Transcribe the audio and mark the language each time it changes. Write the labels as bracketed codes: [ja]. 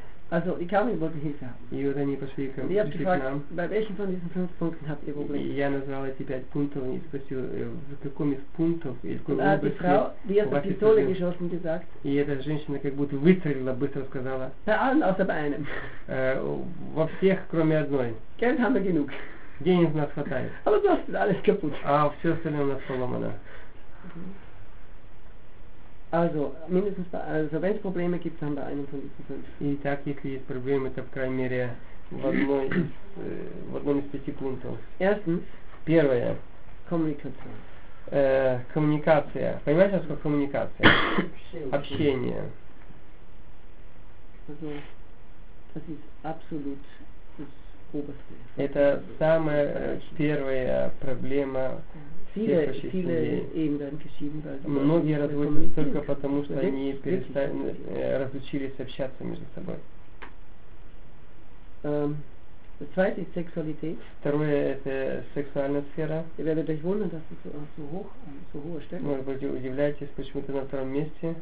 [de] Also, ich kam mir wollte Hilfe haben. Ich habe gefragt, bei welchen von diesen 5 Punkten habt ihr Probleme? Ich habe nur alle 5 Punkte und ich weiß nicht, in welchem Punkt oder in welchem Die Frau, die hat die Pistole geschossen gesagt. [ru] И эта женщина как будто выстрелила быстро сказала. [de] Bei allen außer bei einem. [ru] Во всех кроме одной. [de] Geld haben wir genug. [ru] Денег у нас хватает. [de] Aber das ist alles kaputt. [ru] А все остальное у нас поломано. [de] Also, mindestens bei, also wenn es Probleme gibt, dann bei einem von diesen 5. [ru] Итак, если есть проблемы, то в крайней мере в одном из 5 пунктов. [de] Erstens. [ru] Первое. Коммуникация. Коммуникация. Понимаете, что такое коммуникация? Общение. [de] Also, das ist absolut das oberste. [ru] Это самая первая проблема. Многие разводятся только потому, что они разучились общаться между собой. [de] Das zweite ist Sexualität. [ru] Второе это сексуальная сфера. [de] Ihr werdet euch wundern, dass es so hoch, so hohe Stellen. [ru] Может быть, удивляетесь, почему это на втором месте.